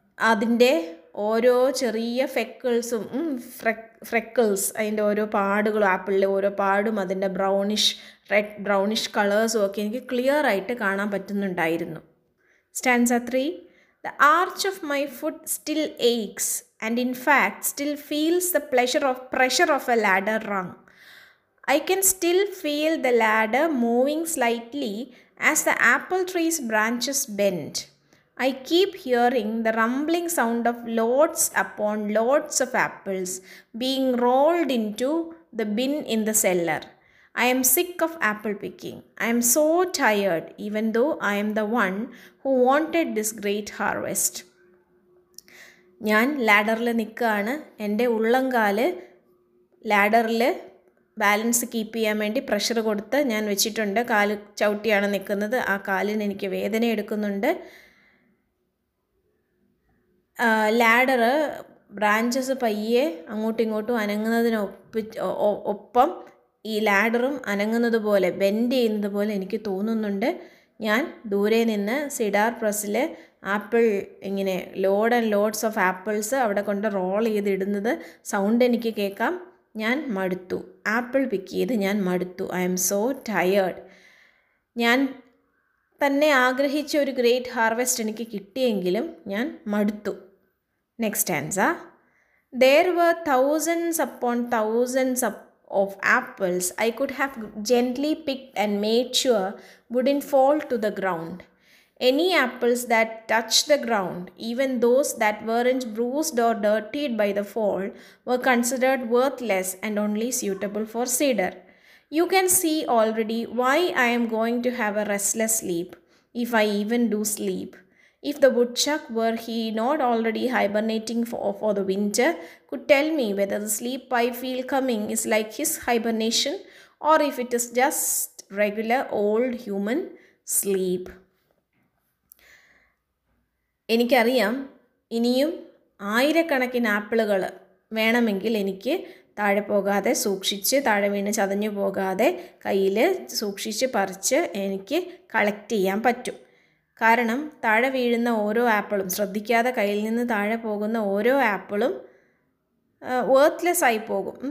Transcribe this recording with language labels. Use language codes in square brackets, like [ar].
[ml] അതിൻ്റെ ഓരോ ചെറിയ ഫെക്കിൾസും ഫ്രെക്കിൾസ് അതിൻ്റെ ഓരോ പാടുകളും ആപ്പിളിലെ ഓരോ പാടും അതിൻ്റെ ബ്രൗണിഷ് റെഡ് ബ്രൗണിഷ് കളേഴ്സും ഒക്കെ എനിക്ക് ക്ലിയർ ആയിട്ട് കാണാൻ പറ്റുന്നുണ്ടായിരുന്നു. Stanza 3. [en] The arch of my foot still aches and in fact still feels the pressure of a ladder rung I can still feel the ladder moving slightly as the apple tree's branches bend. I keep hearing the rumbling sound of loads upon loads of apples being rolled into the bin in the cellar. I am sick of apple picking. I am so tired, even though I am the one who wanted this great harvest. [ml] ഞാൻ ലാഡറിൽ നിൽക്കുകയാണ്. എൻ്റെ ഉള്ളം കാല് ലാഡറിൽ balance keep ചെയ്യാൻ വേണ്ടി pressure കൊടുത്ത് ഞാൻ വെച്ചിട്ടുണ്ട്. കാല് ചവിട്ടിയാണ് നിൽക്കുന്നത്. ആ കാലിന് എനിക്ക് വേദന എടുക്കുന്നുണ്ട്. ലാഡറ് ബ്രാഞ്ചസ് പയ്യെ അങ്ങോട്ടും ഇങ്ങോട്ടും അനങ്ങുന്നതിന് ഒപ്പം ഈ ലാഡറും അനങ്ങുന്നത് പോലെ ബെൻഡ് ചെയ്യുന്നത് പോലെ എനിക്ക് തോന്നുന്നുണ്ട്. ഞാൻ ദൂരെ നിന്ന് സിഡാർ പ്രസ്സിലെ ആപ്പിൾ ഇങ്ങനെ [en] load and loads of apples [ml] അവിടെ കൊണ്ട് റോൾ ചെയ്തിടുന്നത് സൗണ്ട് എനിക്ക് കേൾക്കാം. ഞാൻ മടുത്തു. ആപ്പിൾ പിക്ക് ചെയ്ത് ഞാൻ മടുത്തു. [en] I am so tired. [ml] ഞാൻ തന്നെ ആഗ്രഹിച്ച ഒരു ഗ്രേറ്റ് ഹാർവെസ്റ്റ് എനിക്ക് കിട്ടിയെങ്കിലും ഞാൻ മടുത്തു. [en] Next answer, there were thousands upon thousands of apples I could have gently picked and made sure wouldn't fall to the ground. Any apples that touched the ground, even those that weren't bruised or dirtied by the fall, were considered worthless and only suitable for cedar. You can see already why I am going to have a restless sleep, if I even do sleep. If the woodchuck, were he not already hibernating for the winter, could tell me whether the sleep I feel coming is like his hibernation or if it is just regular old human sleep. [ml] എനിക്കറിയാം ഇനിയും ആയിരക്കണക്കിന് ആപ്പിളുകൾ വേണമെങ്കിൽ എനിക്ക് താഴെ പോകാതെ സൂക്ഷിച്ച് താഴെ വീണ് ചതഞ്ഞു പോകാതെ കയ്യിൽ സൂക്ഷിച്ച് പറിച്ച് എനിക്ക് കളക്റ്റ് ചെയ്യാൻ പറ്റും. കാരണം താഴെ വീഴുന്ന ഓരോ ആപ്പിളും ശ്രദ്ധിക്കാതെ കയ്യിൽ നിന്ന് താഴെ പോകുന്ന ഓരോ ആപ്പിളും വർത്ത്ലെസ് ആയി പോകും.